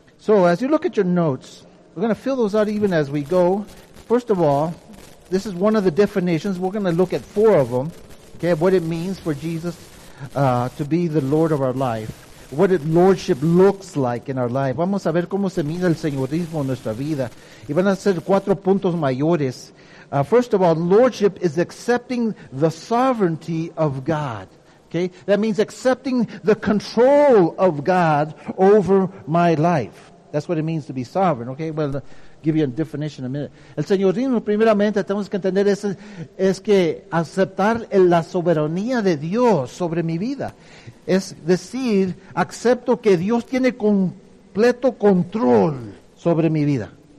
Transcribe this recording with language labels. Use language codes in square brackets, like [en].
[en] So as you look at your notes, we're going to fill those out even as we go. First of all, this is one of the definitions. We're going to look at four of them. Okay, what it means for Jesus to be the Lord of our life. What it lordship looks like in our life. [es] Vamos a ver cómo se mira el señorismo en nuestra vida. Y van a ser cuatro puntos mayores. [en] First of all, lordship is accepting the sovereignty of God. Okay, that means accepting the control of God over my life. That's what it means to be sovereign. Okay, well, give you a definition in a minute. [es] El señorismo, primeramente, tenemos que entender es que aceptar la soberanía de Dios sobre mi vida. Es decir, acepto que Dios tiene completo control sobre mi vida.